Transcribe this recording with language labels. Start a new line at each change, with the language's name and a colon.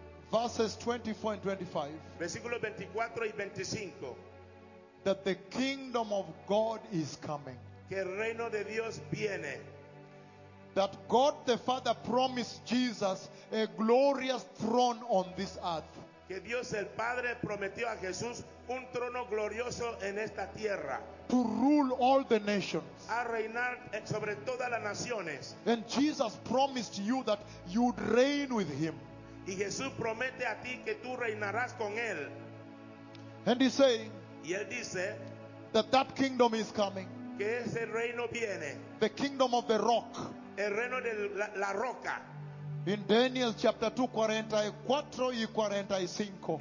English: Verses 24 and 25.
Spanish: Versículo 24 y 25.
English: That the kingdom of God is coming.
Spanish: Que el reino de Dios viene.
English: That God the Father promised Jesus a glorious throne on this earth.
Spanish: Que Dios el Padre prometió a Jesús un trono glorioso en esta tierra.
English: To rule all the nations.
Spanish: A reinar sobre todas las naciones.
English: And Jesus promised you that you'd reign with him.
Spanish: Y Jesús promete a ti que tú reinarás con él.
English: And he's saying,
Spanish: y él dice,
English: that kingdom is coming.
Spanish: Que ese reino viene.
English: The kingdom of the rock.
Spanish: El reino de la roca.
English: In Daniel chapter 2, 44 y 45.